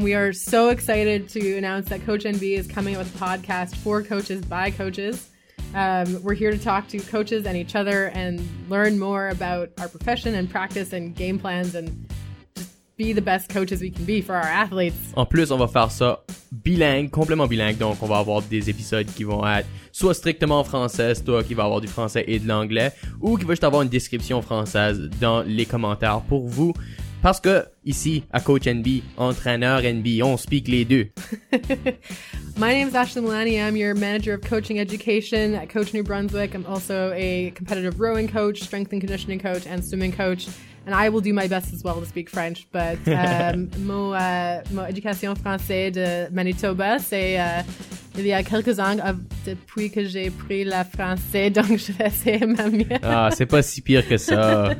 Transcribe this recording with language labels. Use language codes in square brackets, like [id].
[en] We are so excited to announce that Coach NB is coming up with a podcast for coaches by coaches. We're here to talk to coaches and each other and learn more about our profession and practice and game plans and be the best coaches we can be for our athletes. [fr] En plus, on va faire ça bilingue, complètement bilingue. Donc, on va avoir des épisodes qui vont être soit strictement français, soit qui va avoir du français et de l'anglais, ou qui va juste avoir une description française dans les commentaires pour vous. Parce que ici, à Coach NB, entraîneur NB, on speak les deux. [en] My name is Ashley Milani. I'm your manager of coaching education at Coach New Brunswick. I'm also a competitive rowing coach, strength and conditioning coach, and swimming coach. And I will do my best as well to speak French, but [fr] mon éducation française de Manitoba, c'est il y a quelques ans depuis que j'ai pris le français, donc je vais essayer ma mienne. Ah, c'est pas si pire que ça.